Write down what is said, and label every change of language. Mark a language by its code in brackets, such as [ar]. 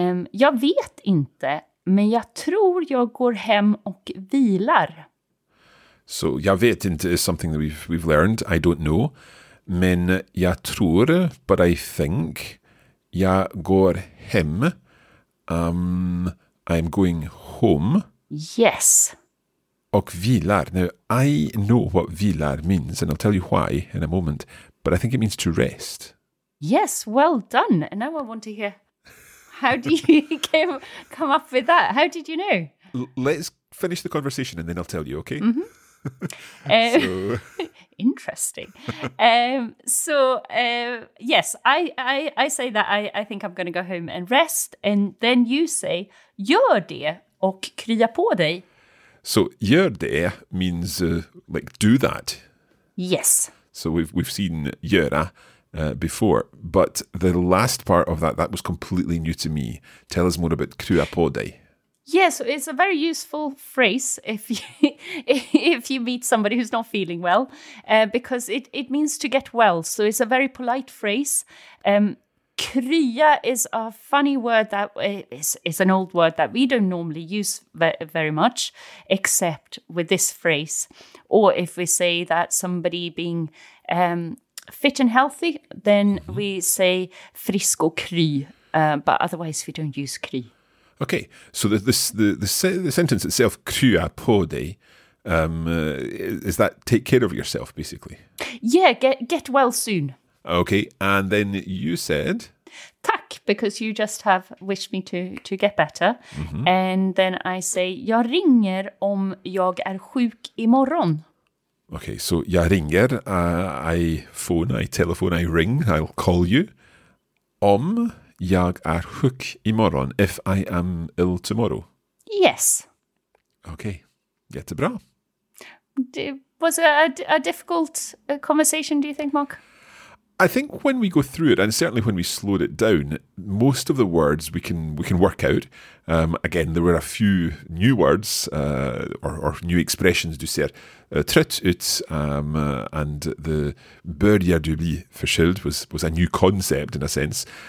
[sv] Jag vet inte, men jag tror jag går hem och vilar. [en] So, [sv] jag vet inte [en] is something that we've learned. I don't know. [sv] Men jag tror, [en] but I think, [sv] jag går hem. [en] I'm going home. Yes. [sv] Och vilar. [en] Now, I know what vilar means, and I'll tell you why in a moment, but I think it means to rest. Yes, well done. And now I want to hear, how do you come up with that? How did you know? Let's finish the conversation and then I'll tell you, okay? Mm-hmm. So. Interesting. Yes, I say that I think I'm going to go home and rest. And then you say, [sv] gör det och krya på dig. [en] So, gör det means like do that. Yes. So we've seen göra before, but the last part of that was completely new to me. Tell us more about [sv] krya på dig. [en] Yes, so it's a very useful phrase if you meet somebody who's not feeling well, because it means to get well. So it's a very polite phrase. Krya is a funny word that is an old word that we don't normally use very much, except with this phrase. Or if we say that somebody being fit and healthy, then mm-hmm. we say [sv] frisk och kry, [en] but otherwise we don't use kry. Okay, so the sentence itself, [sv] krya på dig, [en] is that take care of yourself, basically? Yeah, get well soon. Okay, and then you said? Tack, because you just have wished me to get better. Mm-hmm. And then I say, [sv] jag ringer om jag är sjuk imorgon. [en] Okay, so [sv] jag ringer, [en] I ring, I'll call you. Om jag är sjuk imorgon, if I am ill tomorrow. Yes. [sv] Okay, jättebra. [en] Was it a difficult conversation, do you think, Mark? I think when we go through it, and certainly when we slowed it down, most of the words we can work out. Again, there were a few new words or new expressions, [sv] du ser trött ut, [en] and the [sv] börjar du bli förkyld [en] was a new concept in a sense.